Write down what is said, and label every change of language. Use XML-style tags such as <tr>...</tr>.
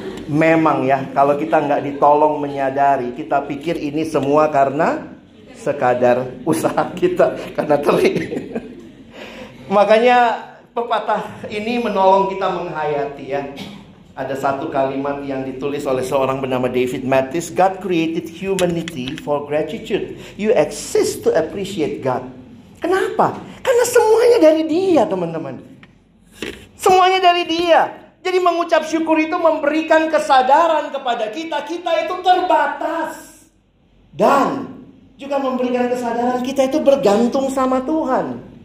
<id>Memang ya, kalau kita enggak ditolong menyadari, kita pikir ini semua karena sekadar usaha kita karena teri. Makanya pepatah ini menolong kita menghayati ya. Ada satu kalimat yang ditulis oleh seorang bernama David Mattis.</id> <en>God created humanity for gratitude. You exist to appreciate God.</en> <id>Kenapa? Karena semuanya dari Dia, teman-teman. Semuanya dari Dia. Jadi mengucap syukur itu memberikan kesadaran kepada kita. Kita itu terbatas. Dan juga memberikan kesadaran kita itu bergantung sama Tuhan.</id>